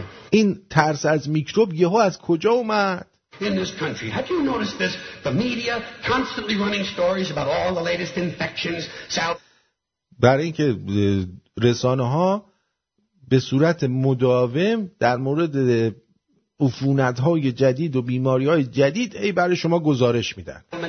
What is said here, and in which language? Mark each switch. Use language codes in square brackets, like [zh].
[fa] این ترس از میکروب یهو از کجا اومد؟ [en] In this country, have you noticed this? The media constantly running stories about all the latest infections. [fa] برای اینکه رسانه‌ها به صورت مداوم در مورد عفونت‌های جدید و بیماری‌های جدید ای برای شما گزارش میدن.